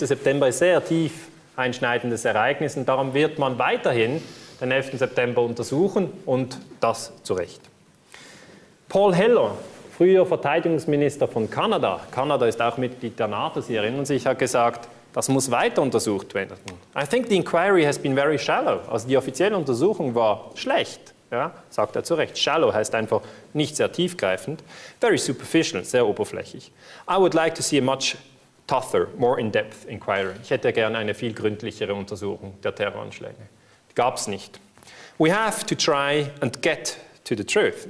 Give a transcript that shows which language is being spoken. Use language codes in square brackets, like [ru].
[de] September ist sehr tief einschneidendes Ereignis und darum wird man weiterhin den 11. September untersuchen und das zu Recht. Paul Heller, früher Verteidigungsminister von Kanada, Kanada ist auch Mitglied der NATO, Sie erinnern sich, hat gesagt, das muss weiter untersucht werden. [en] I think the inquiry has been very shallow. [de] Also die offizielle Untersuchung war schlecht, ja, sagt er zu Recht. Shallow heißt einfach nicht sehr tiefgreifend. [en] Very superficial, [de] sehr oberflächlich. [en] I would like to see a much tougher, more in-depth inquiry. [de] Ich hätte gerne eine viel gründlichere Untersuchung der Terroranschläge. Gab es nicht. [en] We have to try and get to the truth.